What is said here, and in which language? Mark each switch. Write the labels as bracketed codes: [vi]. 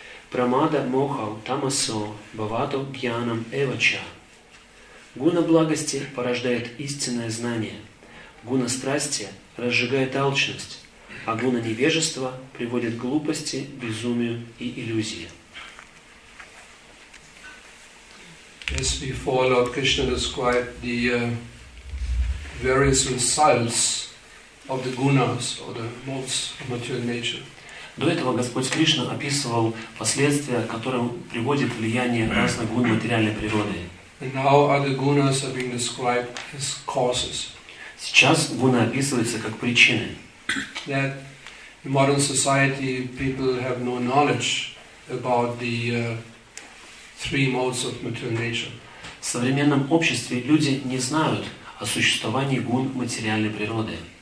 [sa] Прамада мохау тамасо бавато гьянам эвача. [ru] Гуна благости порождает истинное знание. Гуна страсти разжигает алчность. а гуна невежества приводит к глупости, безумию и иллюзии. [en] As before, Lord Krishna described the various results of the gunas or the modes of material nature. [ru] До этого Господь Кришна описывал последствия, которым приводит влияние разных гун материальной природы. [en] And now other gunas are being described as causes. [ru] Сейчас гуны описываются как причины. [en] That in modern society people have no knowledge about the three modes of material nature. [ru] В современном обществе люди не знают о существовании гун материальной природы.